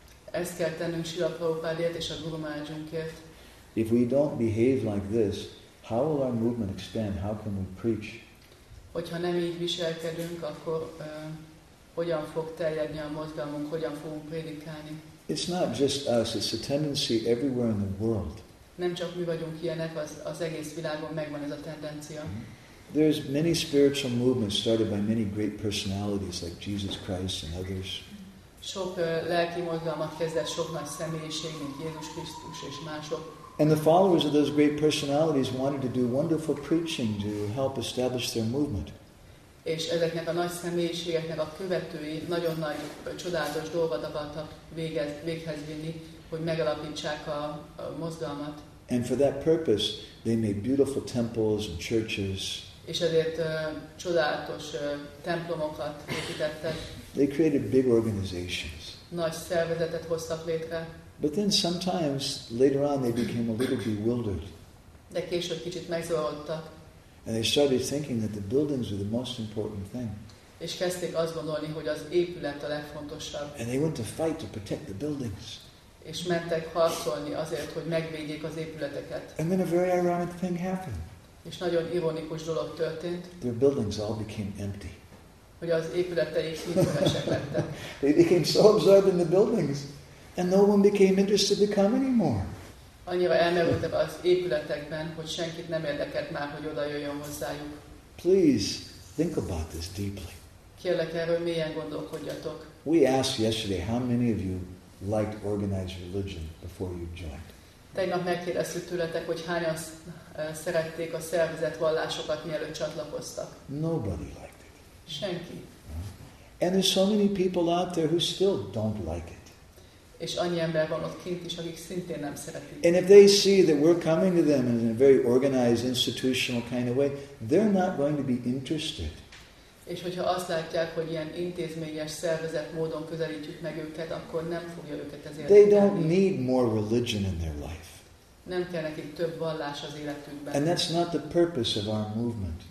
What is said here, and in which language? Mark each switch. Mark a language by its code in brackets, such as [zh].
[hu] Ezt kell tennünk Srila Prabhupádért és a gurumájunkért. [en] If we don't behave like this, how will our movement expand? How can we preach? [hu] Hogyha nem így viselkedünk, akkor hogyan fog terjedni a mozgalmunk, hogyan fogunk prédikálni? [en] It's not just us, it's a tendency everywhere in the world. [hu] Nem csak mi vagyunk ilyenek, az egész világon megvan ez a tendencia. [en] There's many spiritual movements started by many great personalities like Jesus Christ and others. [hu] Sok lelki mozgalmat kezdett sok nagy személyiség, mint Jézus Krisztus és mások. [en] And the followers of those great personalities wanted to do wonderful preaching to help establish their movement. [hu] És ezeknek a nagy személyiségeknek a követői nagyon nagy csodálatos dolgot akartak véghez vinni, hogy megalapítsák a mozgalmat. [en] And for that purpose, they made beautiful temples and churches. [hu] És ezért csodálatos templomokat építettek. [en] They created big organizations. [hu] Nagy szervezetet hoztak létre. [en] But then sometimes, later on, they became a little bewildered. [hu] De később kicsit megzavarodtak. [en] And they started thinking that the buildings were the most important thing. [hu] És kezdték azt gondolni, hogy az épület a legfontosabb. [en] And they went to fight to protect the buildings. [hu] És mentek harcolni azért, hogy megvédjék az épületeket. [en] And then a very ironic thing happened. [hu] És nagyon ironikus dolog történt. [en] Their buildings all became empty. [hu] Hogy az épületeik mind üresek lettek. [en] They became so absorbed in the buildings. And no one became interested to come anymore. [hu] Annyira elmerültek az épületekben, hogy senkit nem érdekelt már, hogy oda jöjjön hozzájuk. [en] Please think about this deeply. [hu] Kérlek, erről mélyen gondolkodjatok. [en] We asked yesterday how many of you liked organized religion before you joined. [hu] Tegnap megkérdeztük tőletek, hogy hányan szerették a szervezett vallásokat, mielőtt csatlakoztak. [en] Nobody liked it. [hu] Senki. [en] And there's so many people out there who still don't like it. [hu] És annyi ember van ott kint is, akik szintén nem szeretik. [en] And if they see that we're coming to them in a very organized, institutional kind of way, they're not going to be interested. [hu] És hogyha azt látják, hogy ilyen intézményes, szervezett módon közelítjük meg őket, akkor nem fogja őket ez érdekelni. [en] They don't need more religion in their life. [hu] Nem kell nekik több vallás az életükben. [en] And that's not the purpose of our movement.